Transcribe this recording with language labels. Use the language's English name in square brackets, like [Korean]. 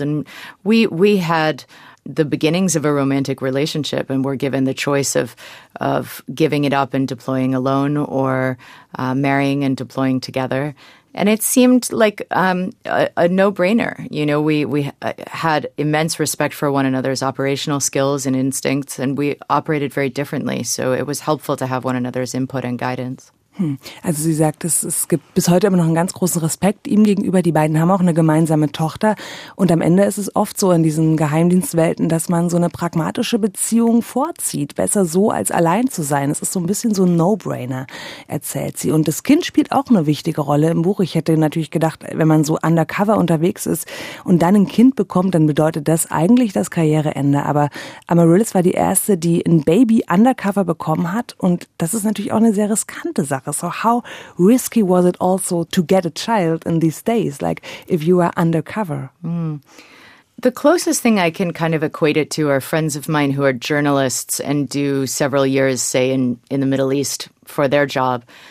[English] And we had the beginnings of a romantic relationship, and were given the choice of giving it up and deploying alone, or marrying and deploying together. And it seemed like a no-brainer. You know, we had immense respect for one another's operational skills and instincts, and we operated very differently. So it was helpful to have one another's input and guidance. [German] Also sie sagt, es gibt bis heute immer noch einen ganz großen Respekt ihm gegenüber. Die beiden haben auch eine gemeinsame Tochter. Und am Ende ist es oft so in diesen Geheimdienstwelten, dass man so eine pragmatische Beziehung vorzieht. Besser so als allein zu sein. Es ist so ein bisschen so ein No-Brainer, erzählt sie. Und das Kind spielt auch eine wichtige Rolle im Buch. Ich hätte natürlich gedacht, wenn man so undercover unterwegs ist und dann ein Kind bekommt, dann bedeutet das eigentlich das Karriereende. Aber Amaryllis war die Erste, die ein Baby undercover bekommen hat. Und das ist natürlich auch eine sehr riskante Sache. [English] together. So how risky was it also to get a child in these days, like if you were undercover? Mm. The closest thing I can kind of equate it to are friends of mine who are journalists and do several years, say, in the Middle East for their job.